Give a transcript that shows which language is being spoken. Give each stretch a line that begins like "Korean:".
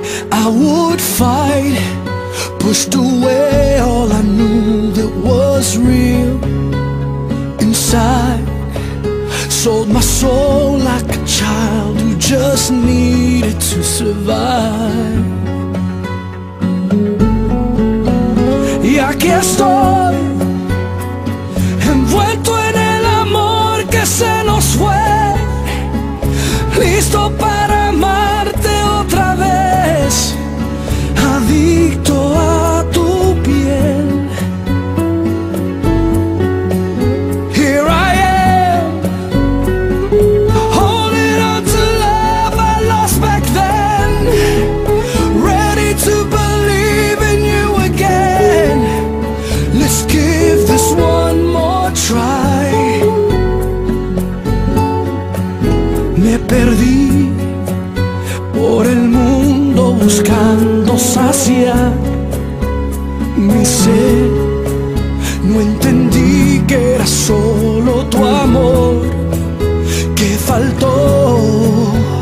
English: I would fight, pushed away all I knew that was real inside. Sold my soul like a child who just needed to survive.
Spanish: Y aquí estoy, envuelto en el amor que se nos fue, listo para amarte otra vez, adicto a tu piel.
English: Here I am, holding on to love I lost back then, ready to believe in you again. Let's give this one more try.
Spanish: Me perdí por el mundo buscando saciar mi sed. No entendí que era solo tu amor que faltó.